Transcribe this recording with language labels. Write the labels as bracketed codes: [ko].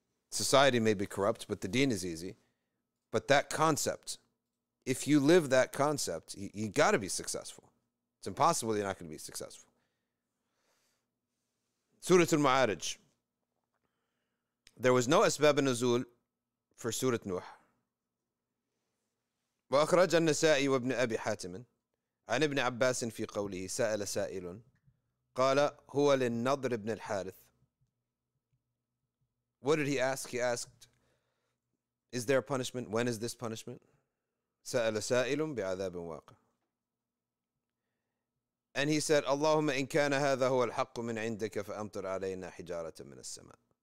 [en] Society may be corrupt, but the deen is easy. But that concept, if you live that concept, you got to be successful. It's impossible you're not going to be successful. Surat al Ma'arij. There was no asbab in nuzul for Surat Nuh. [ar] وأخرج النسائي وابن أبي حاتم عن ابن عباس في قوله سأل سائل قال هو للنضر بن الحارث. [en] What did he ask? He asked, is there a punishment? When is this punishment? [ar] سأل سائل بعذاب واقع. [en] And he said, [ar] اللهم إن كان هذا هو الحق من عندك فأمطر علينا حجارة من السماء.